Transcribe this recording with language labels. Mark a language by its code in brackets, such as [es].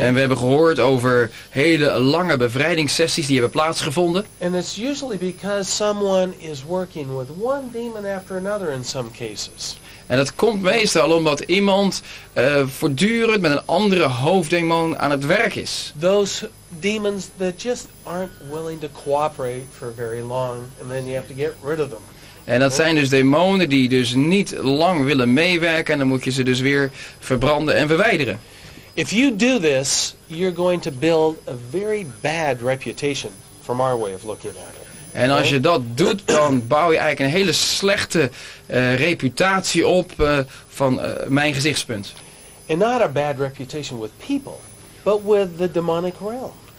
[nl] En we hebben gehoord over hele lange bevrijdingssessies die hebben plaatsgevonden. [en] And it's usually because someone is working with one demon after another in some cases. [nl] En dat komt meestal omdat iemand voortdurend met een andere hoofddemon aan het werk is. [en] Those demons that just aren't willing to cooperate for very long and then you have to get rid of them. [nl] En dat zijn dus demonen die dus niet lang willen meewerken en dan moet je ze dus weer verbranden en verwijderen. [en] If you do this, you're going to build a very bad reputation from our way of looking at it. [nl] En als je dat doet, dan bouw je eigenlijk een hele slechte reputatie op van mijn gezichtspunt. [en] And not a bad reputation with people, but with the demonic realm.